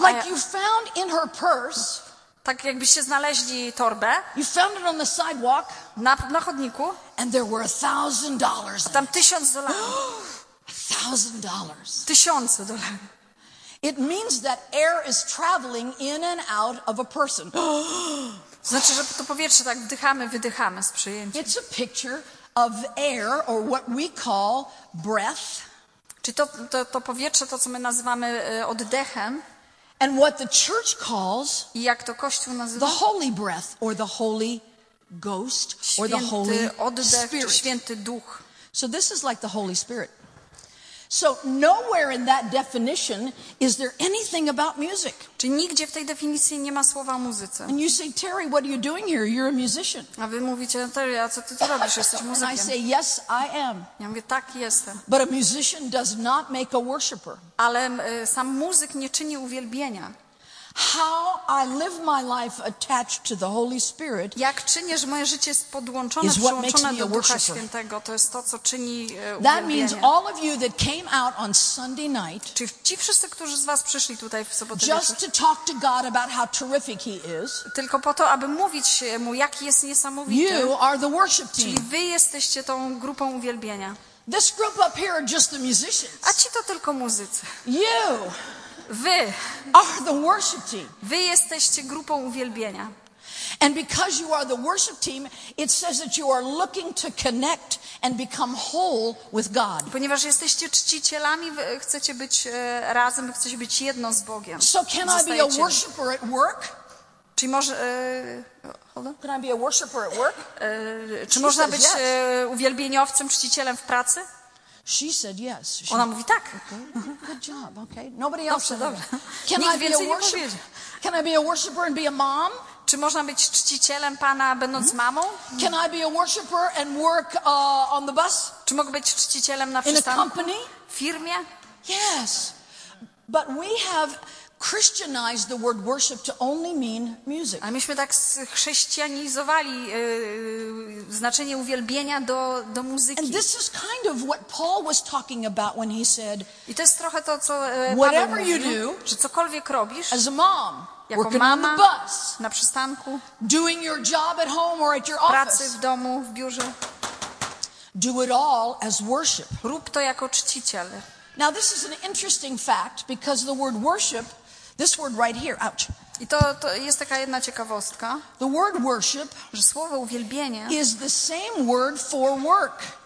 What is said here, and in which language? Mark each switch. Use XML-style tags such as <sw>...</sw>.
<en>Like you found in her purse.</en> <pl>Tak jakbyście znaleźli torbę.</pl> <en>You found it on the sidewalk.</en> <pl>Na chodniku.</pl> <en>And there were $1,000.</en> <pl>Tam $1,000.</pl> <en>$1,000.</en> <pl>Tysiące dolarów.</pl> <en>It means that air is traveling in and out of a person.</en> <pl>Znaczy, że to powietrze tak wdychamy, wydychamy z przyjęciem.</pl> <en>It's a picture of air, or what we call breath.</en> <pl>Czy to powietrze, to co my nazywamy oddechem.</pl> <en>And what the church calls,</en> <pl>i jak to Kościół nazywa,</pl> <en>the holy breath, or the holy ghost, or the holy</en> <pl>oddech,</pl> <en>spirit.</en> <pl>Święty duch.</pl> <en>So this is like the Holy Spirit. So nowhere in that definition is there anything about music.</en> <pl>Czy nigdzie w tej definicji nie ma słowa o muzyce?</pl> <en>And you say, Terry, what are you doing here? You're a musician.</en> <pl>A wy mówicie, Terry, a co ty tu robisz? Jesteś muzykiem.</pl> <en>And I say, yes, I am.</en> <pl>Ja mówię, tak, jestem.</pl> <en>But a musician does not make a worshipper.</en> <pl>Ale sam muzyk nie czyni uwielbienia.</pl> <en>How I live my life attached to the Holy Spirit.</en> <pl>Jak czynię, że moje życie jest podłączone, przyłączone do Ducha Świętego, to jest to, co czyni uwielbienie.</pl> <en>That means all of you that came out on Sunday night.</en> <pl>Czy ci wszyscy, którzy z was przyszli tutaj w sobotę wieczór.</pl> <en>Just to talk to God about how terrific He is.</en> <pl>Tylko po to, aby mówić mu, jaki jest niesamowity.</pl> <en>You are the worship team.</en> <pl>Czyli wy jesteście tą grupą uwielbienia.</pl> <en>This group up here are just the musicians.</en> <pl>A ci to tylko muzycy.</pl> <en>You.</en> <pl>Wy</pl> <en>are the worship team.</en> <pl>Wy jesteście grupą uwielbienia.</pl> <en>And because you are the worship team, it says that you are looking to connect and become whole with God.</en> <pl>Ponieważ jesteście czcicielami, chcecie być razem, chcecie być jedno z Bogiem.</pl> <en>So can I be a worshipper at work?</en> <pl>Czy może</pl> <en>Can I be a worshipper at work?</en> <pl>Czy można być uwielbieniowcem, czcicielem w pracy?</pl> <en>She said yes.</en> <pl>Ona mówi tak.</pl> <en>Good job. Okay. Nobody else.</en> <pl>Dobrze.</pl> <en>Can I be a worshiper? Can I be a worshiper and be a mom?</en> <pl>Czy można być czcicielem Pana będąc mamą?</pl> <en>Can I be a worshiper and work on the bus?</en> <pl>Czy mogę być czcicielem na przystanku?</pl> <en>In a company?</en> <pl>W firmie?</pl> <en>Yes. But we have Christianized the word worship to only mean music.</en> <pl>A myśmy tak chrześcijanizowali znaczenie uwielbienia do muzyki.</pl> <en>And this is kind of what Paul was talking about when he said.</en> <pl>I to jest trochę to, co</pl> <en>whatever</en> <pl>mówił,</pl> <en>you do,</en> <pl>że cokolwiek robisz,</pl> <en>as a mom,</en> <pl>jako</pl> <en>working</en> <pl>mama,</pl> <en>on the bus,</en> <pl>na przystanku,</pl> <en>doing your job at home or at your</en> <pl>pracy</pl> <en>office,</en> <pl>w domu, w biurze,</pl> <en>do it all as worship.</en> <pl>Rób to jako czciciel.</pl> <en>Now this is an interesting fact because the word worship. This word right here, ouch.</en> <pl>I to jest taka jedna ciekawostka.</pl> <en>The word worship,</en> <pl>że słowo uwielbienie,</pl> <en>is the same word for work.</en>